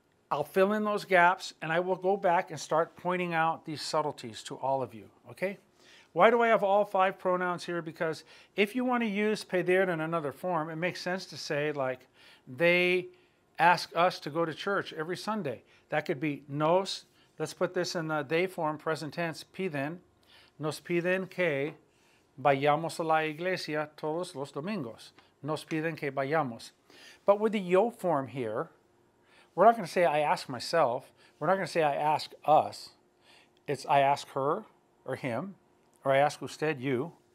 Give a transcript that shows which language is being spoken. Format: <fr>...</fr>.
<en>I'll fill in those gaps, and I will go back and start pointing out these subtleties to all of you, okay? Why do I have all 5 pronouns here? Because if you want to use pedir in another form, it makes sense to say, like, they ask us to go to church every Sunday. That could be nos. Let's put this in the they form, present tense, piden.</en> <es>Nos piden que vayamos a la iglesia todos los domingos. Nos piden que vayamos.</es> <en>But with the yo form here, we're not going to say I ask myself. We're not going to say I ask us. It's I ask her or him, or I ask usted, you.</en>